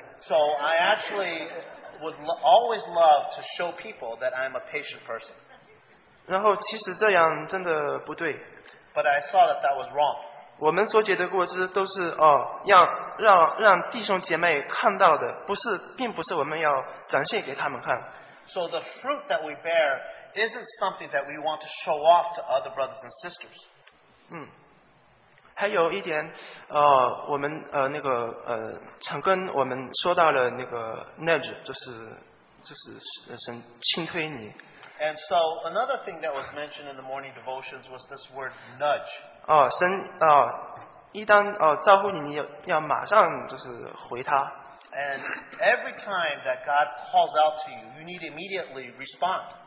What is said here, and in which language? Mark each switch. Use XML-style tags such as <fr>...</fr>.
<en>So I actually would always love to show people that I'm a patient person.</en> <zh>然后其实这样真的不对。</zh> <en>But I saw that that was wrong.</en> <zh>我们所结的果子都是让弟兄姐妹看到的，不是，并不是我们要展现给他们看。</zh> <en>So the fruit that we bear isn't something that we want to show off to other brothers and sisters.</en> <zh>还有一点，我们陈根我们说到了那个nudge，就是神轻推你。</zh> <en>And so another thing that was mentioned in the morning devotions was this word nudge.</en> <zh>神一旦招呼你，你要马上就是回他。</zh> <en>And every time that God calls out to you, you need immediately respond.</en>